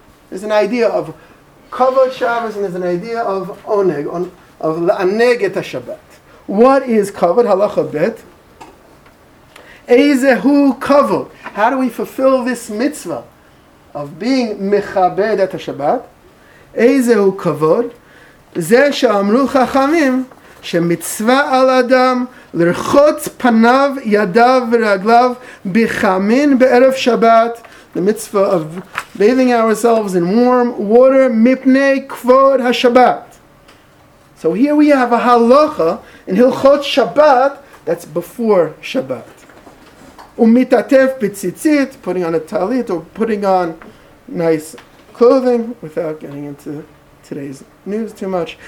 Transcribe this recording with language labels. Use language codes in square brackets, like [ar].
[en] There's an idea of Kavod Shabbos, and there's an idea of Oneg, of [he] La'aneg et Shabbat. [en] What is Kavod? Halacha bet. Ezehu Kavod. How do we fulfill this mitzvah of being [he] Mechabed et Shabbat? Ezehu Kavod. זה שאמרו חכמים שמצווה על אדם לרחוץ פניו, ידיו ורגליו בחמין בערב שבת. [en] The mitzvah of bathing ourselves in warm water [he] מפני כבוד השבת. [en] So here we have a halacha in הלכות שבת, that's before Shabbat. [he] ומתעטף בציצית, [en] putting on a talit or putting on nice clothing without getting into today's news too much.